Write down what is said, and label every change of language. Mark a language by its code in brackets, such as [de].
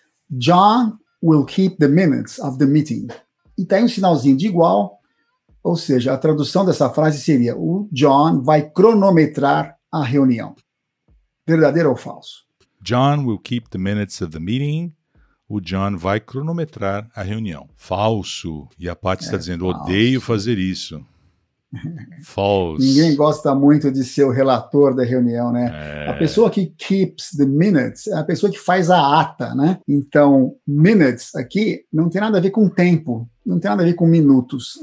[en] John will keep the minutes of the meeting. [pt] E tem um sinalzinho de igual, ou seja, a tradução dessa frase seria: o John vai cronometrar a reunião. Verdadeiro ou falso? [en] John will keep the minutes of the meeting. [pt] O John vai cronometrar a reunião. Falso. E a Paty está dizendo: falso. Odeio fazer isso. False. Ninguém gosta muito de ser o relator da reunião, né? A pessoa que [en] keeps the minutes [pt] é a pessoa que faz a ata, né? Então, minutes aqui não tem nada a ver com tempo, não tem nada a ver com minutos.